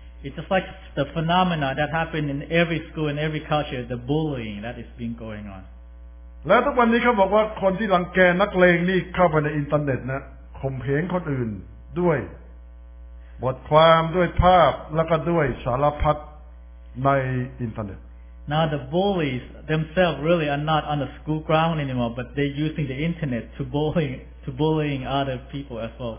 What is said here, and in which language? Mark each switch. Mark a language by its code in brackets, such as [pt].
[en] It's just like the phenomena that happened in every school and every culture the bullying that is being going on [th] และทุกวันนี้เขาบอกว่าคนที่รังแกนักเลงนี่เข้าไปในอินเทอร์เน็ตนะข่มเหงคนอื่นด้วยบทความด้วยภาพแล้วก็ด้วยสารพัดในอินเทอร์เน็ต [en] Now the bullies themselves really are not on the school ground anymore, but they're using the internet to bullying other people as well.